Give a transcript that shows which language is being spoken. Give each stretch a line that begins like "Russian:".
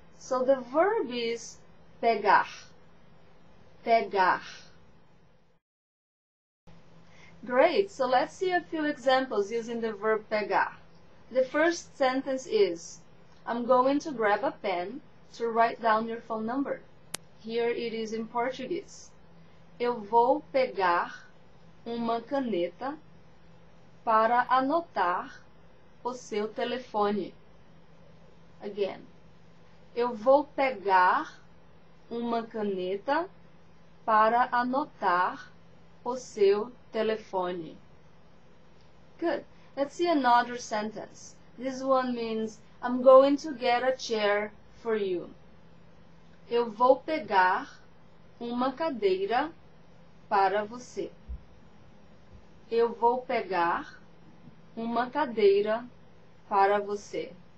English: So the verb is pegar. Pegar. Great, so let's see a few examples using the verb pegar. The first sentence is, I'm going to grab a pen to write down your phone number. Here it is in Portuguese.
Portuguese: Eu vou pegar uma caneta para anotar o seu telefone. Again, eu vou pegar uma caneta para anotar o seu telefone.
English: Good. Let's see another sentence. This one means, I'm going to get a chair for you.
Portuguese: Eu vou pegar uma cadeira para você. Eu vou pegar uma cadeira para você.